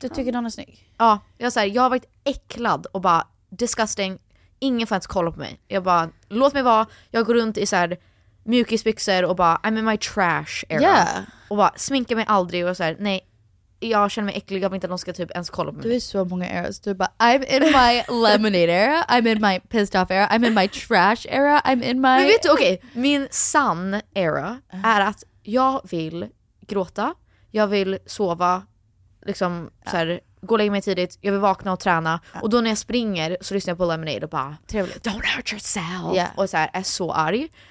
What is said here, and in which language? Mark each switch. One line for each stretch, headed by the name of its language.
Swedish: du tycker någon är snygg. Ja, jag säger, jag har varit äcklad och bara disgusting. Ingen får ens kolla på mig. Jag bara, låt mig vara. Jag går runt i så här mjukisbyxor och bara
English: I'm in my trash era. Yeah.
Swedish: Och bara sminkar mig aldrig och så här, nej. Jag känner mig äcklig, jag vill inte att någon ska typ ens kolla på mig. Du är så många eras. Du bara,
English: I'm in my lemonade era, I'm in my pissed off era, I'm in my trash era, I'm in my...
Swedish: Men vet du, okej, okay, min sann era är att jag vill gråta, jag vill sova liksom så här, gå och lägga mig tidigt, jag vill vakna och träna och då när jag springer så lyssnar jag på Lemonade och bara trevligt,
English: don't hurt yourself
Swedish: och så här, är så arg,